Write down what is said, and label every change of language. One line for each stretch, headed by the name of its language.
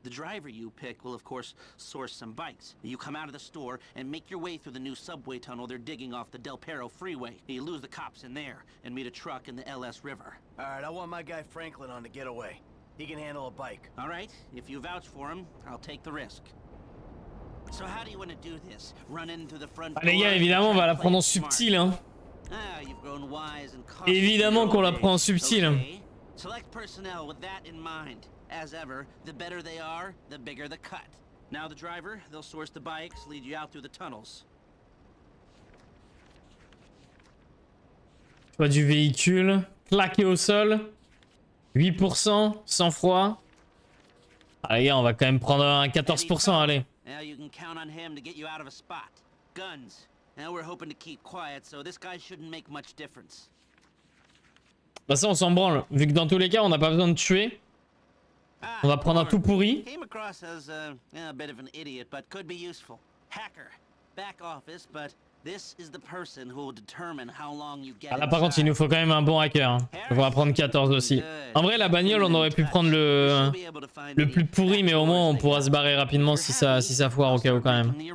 English: The driver you pick will, of course, source some bikes. You come out of the store and make your way through the new subway tunnel they're digging off the Del Perro freeway. You lose the cops in there and meet a truck in the LS River. All right, I want my guy Franklin on the getaway. He can handle a bike. All right. If you vouch for him, I'll take the risk. So how do you want to do this? Run into the front door?
French: Ah, les gars, évidemment, on va la prendre en subtil, hein.
English: Ah, you've grown wise and
French: cautious. Évidemment qu'on la prend en subtil.
English: Okay. Select personnel with that in mind. As ever, the better they are, the bigger the cut. Now the driver, they'll source the bikes, lead you out through the tunnels.
French: Choix du véhicule, claqué au sol. 8% sang froid. Allez, on va quand même prendre un 14%, allez.
English: Now you can count on him to get you out of a spot. Guns. Now we're hoping to keep quiet, so this guy shouldn't make much difference.
French: Bah ça on s'en branle, vu que dans tous les cas, on n'a pas besoin de tuer. On va prendre un tout pourri.
English: Came across as a bit of an idiot, but could be useful. Hacker. Back office, but this is the person who will determine how long you get.
French: Ah là, par contre, il nous faut quand même un bon hacker. On va prendre 14 aussi. En vrai, la bagnole, on aurait pu prendre le plus pourri, mais au moins on pourra se barrer rapidement si ça foire au cas où quand même.